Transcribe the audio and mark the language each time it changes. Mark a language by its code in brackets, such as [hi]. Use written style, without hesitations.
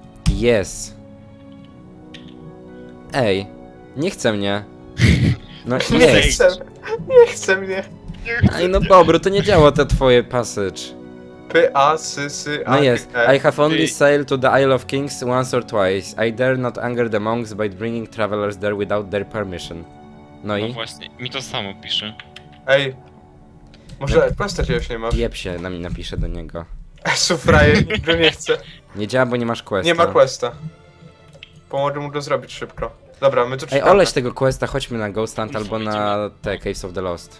[pl] Jest. Ej, nie chce mnie. No, nie chce. Nie chce mnie. Ej, no dobra, to nie działa te twoje passage. P-A-S-S-A-G-E. No jest. [en] I have only sailed to the Isle of Kings once or twice. I dare not anger the monks by bringing travelers there without their permission. [pl] No i? No właśnie, mi to samo pisze. Ej. Może pasta cię już nie masz. Jeb się, na mnie napisze do niego. Sufraje, że nie chce. Nie działa, bo nie masz questa. Nie ma questa. Pomogę mu to zrobić szybko. Dobra, my tu czekamy. Ej, oleś tego questa, chodźmy na Ghostland albo na te Caves of the Lost.